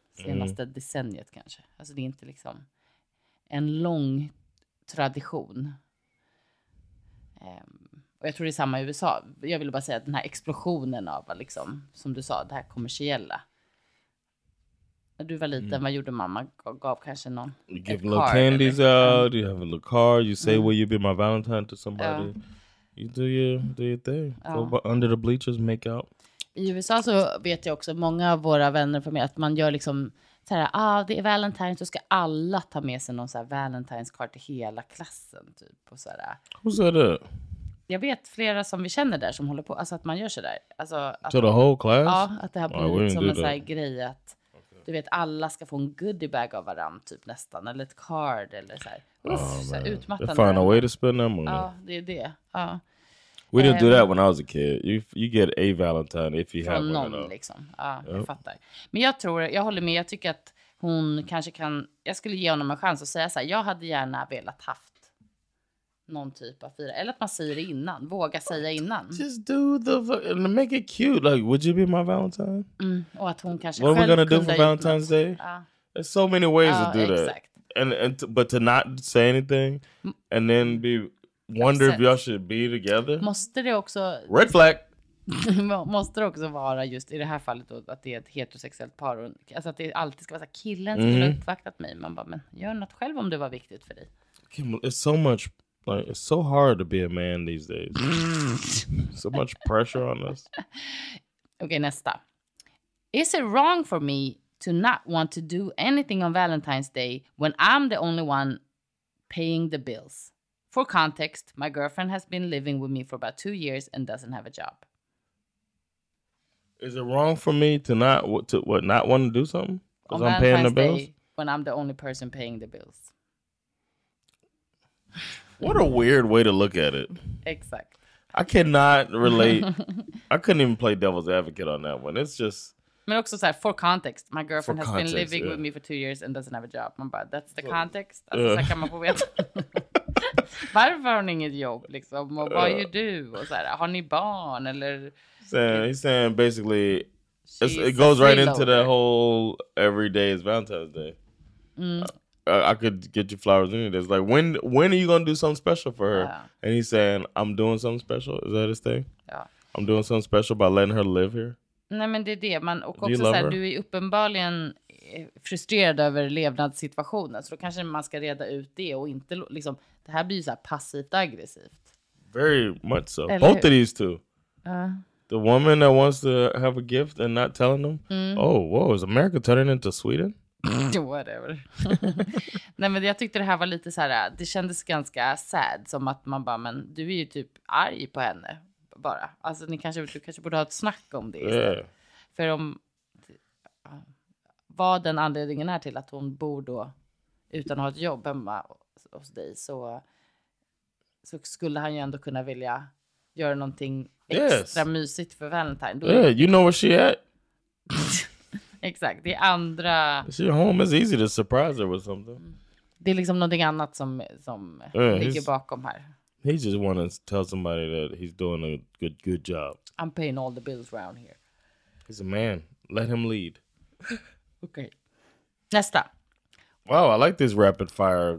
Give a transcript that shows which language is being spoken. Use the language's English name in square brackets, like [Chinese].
[Swedish] Senaste decenniet kanske. Alltså det är inte liksom en lång tradition. Och jag tror det är samma i USA. Jag vill bara säga att den här explosionen av liksom, som du sa, det här kommersiella. När du var liten, vad gjorde mamma? Gav kanske någon [English] you give a little candies out, you have a little card, you say will you be my valentine to somebody. You do your thing. Go under the bleachers, make out. [Swedish] I USA så vet jag också många av våra vänner för mig att man gör liksom så här, det är Valentine's, så ska alla ta med sig någon så här Valentine's card till hela klassen typ och så där. Hur säger du? Jag vet flera som vi känner där som håller på, alltså att man gör så där. Alltså att [English] to the whole class? [Swedish] Ja, att det här blir som en så här grej att du vet alla ska få en goodie bag av varann typ nästan eller ett card eller så här. Så här, utmattande. [English] They find a way to spend that money. [Swedish] Ja, det är det. Ja. [English] We didn't do that when I was a kid. You get a Valentine if you have [Swedish] one. Liksom. Ja, yep. Jag fattar. Men jag tror, jag håller med, jag tycker att hon kanske kan, jag skulle ge honom en chans att säga så här, jag hade gärna velat haft någon typ av fira. Eller att man säger det innan, våga säga innan. [English] Just do the, make it cute. Like, would you be my Valentine? [Swedish] Mm. Och att hon kanske [English] what [Swedish] själv [English] are we gonna do for Valentine's Day? [Swedish] Ja. [English] There's so many ways to do [Swedish] exakt. [English] That. But to not say anything and then be... Wonder if y'all should be together. [Swedish] Måste det också... [English] Red flag! [Swedish] Måste det också vara just i det här fallet då, att det är ett heterosexuellt par. Och, alltså att det alltid ska vara så här, killen som har uppvaktat mig. Man bara, men gör något själv om det var viktigt för dig. [English] It's so much... Like, it's so hard to be a man these days. So much pressure on us. [Swedish] Okej, nästa. [English] Is it wrong for me to not want to do anything on Valentine's Day when I'm the only one paying the bills? For context, my girlfriend has been living with me for about 2 years and doesn't have a job. Is it wrong for me to not want to do something? Because I'm paying the bills? When I'm the only person paying the bills. What a weird way to look at it. Exactly. I cannot relate. I couldn't even play devil's advocate on that one. It's just... [Swedish] Men också så här, [English] for context, my girlfriend for has context, been living with me for 2 years and doesn't have a job. [Swedish] Man bara, [English] that's the context. [Swedish] Alltså, så kan man få veta. Varför har ni inget jobb, liksom? Och vad gör du? Och så här, har ni barn, eller? [English] He's saying basically, it goes right into the whole, every day is Valentine's Day. I could get you flowers any day. It's like, when are you going to do something special for her? And he's saying, I'm doing something special. Is that his thing? Yeah. I'm doing something special by letting her live here. [Swedish] Nej, men det är det. Man, och också så här, du är uppenbarligen frustrerad över levnadssituationen. Så då kanske man ska reda ut det och inte liksom... Det här blir så här passivt aggressivt. [English] Very much so. [Swedish] Eller [English] both [Swedish] hur? [English] Of these two. The woman that wants to have a gift and not telling them. Mm. Oh, whoa, is America turning into Sweden? Whatever. [Swedish] Nej, men jag tyckte det här var lite så här... Det kändes ganska sad. Som att man bara, men du är ju typ arg på henne. Bara. Alltså du kanske borde ha ett snack om det. [English] Yeah. [Swedish] För om vad den anledningen är till att hon bor då utan att ha ett jobb hemma hos dig, så skulle han ju ändå kunna vilja göra någonting extra mysigt för Valentine. Då [English] you know where she at. [Swedish] Exakt, det andra... [English] She home is easy to surprise her with something. [Swedish] Det är liksom någonting annat som ligger bakom här. [English] He just wanted to tell somebody that he's doing a good job. I'm paying all the bills around here. He's a man. Let him lead. Okay. [Swedish] Nästa. [English] Wow, I like this rapid fire.